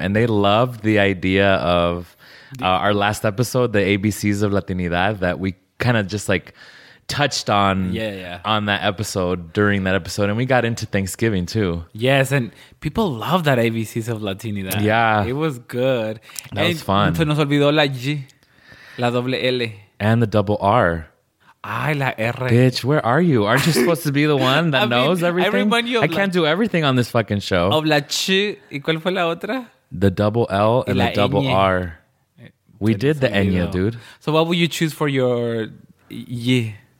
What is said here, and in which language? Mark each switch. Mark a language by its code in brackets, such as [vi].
[en] And they loved the idea of our last episode, the ABCs of Latinidad, that we kind of just like touched on on that episode, during that episode, and we got into Thanksgiving too. Yes, and people love that ABCs of Latinidad. Yeah, it was good. That was fun. [es] Se nos olvidó la G, la doble L, [en] and the double R. [es] Ay, la R. [en] Bitch, where are you? Aren't you supposed to be the one that knows everything? I can't do everything on this fucking show. [es] Of la Ch, ¿y cuál fue la otra? [en] The double L and the double R. We did the Ñ, dude. So what will you choose for your Y?